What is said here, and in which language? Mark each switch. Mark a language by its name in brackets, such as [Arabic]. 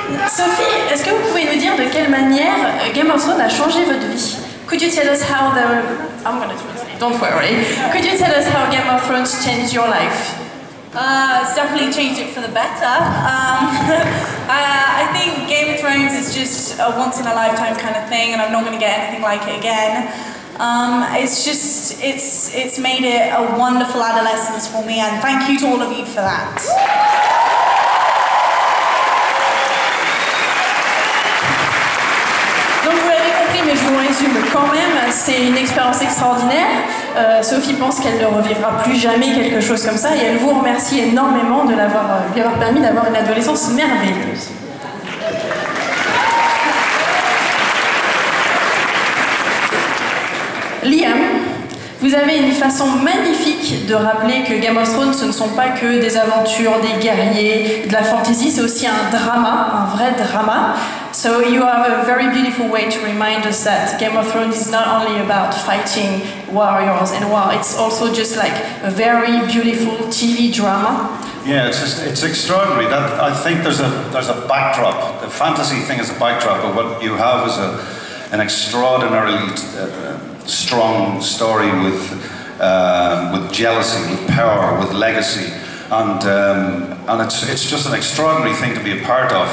[French] Sophie, est-ce que vous pouvez nous dire de quelle manière Game of Thrones a changé votre vie? [English] Could you tell us how the... I'm gonna translate. Don't worry. Could you tell us how Game of Thrones changed your life? It's definitely changed it for the better. I think Game of Thrones is just a once-in-a-lifetime kind of thing, and I'm not going to get anything like it again. It's made it a wonderful adolescence for me, and thank you to all of you for that. [French] Mais je vous résume quand même, c'est une expérience extraordinaire. Sophie pense qu'elle ne revivra plus jamais quelque chose comme ça et elle vous remercie énormément de l'avoir lui avoir permis d'avoir une adolescence merveilleuse. Liam, vous avez une façon magnifique de rappeler que Game of Thrones, ce ne sont pas que des aventures, des guerriers, de la fantasy, c'est aussi un drama, un vrai drama. [English] So you have a very beautiful way to remind us that Game of Thrones is not only about fighting warriors and war, it's also just like a very beautiful TV drama. Yeah, it's just, it's extraordinary. That, I think there's a backdrop. The fantasy thing is a backdrop, but what you have is an extraordinarily strong story with jealousy, with power, with legacy, and it's just an extraordinary thing to be a part of.